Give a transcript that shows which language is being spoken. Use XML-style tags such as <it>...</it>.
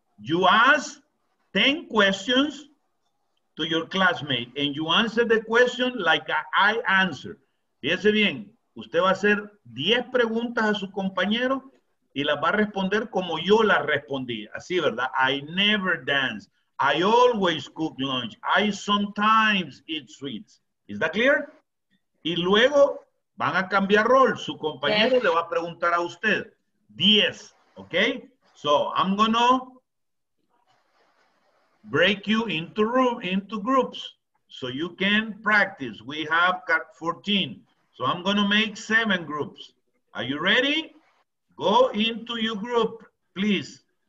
<en>You ask 10 questions to your classmate and you answer the question like I answer.</en> <es>Fíjese bien, usted va a hacer 10 preguntas a su compañero y las va a responder como yo las respondí. Así, ¿verdad?</es> <en>I never dance. I always cook lunch. I sometimes eat sweets. Is that clear?</en> <es>Y luego van a cambiar rol. Su compañero le va a preguntar a usted 10, ¿ok?</es> <en>So, I'm going to break you into groups so you can practice. We have 14. So I'm going to make 7 groups. Are you ready? Go into your group, please.</en>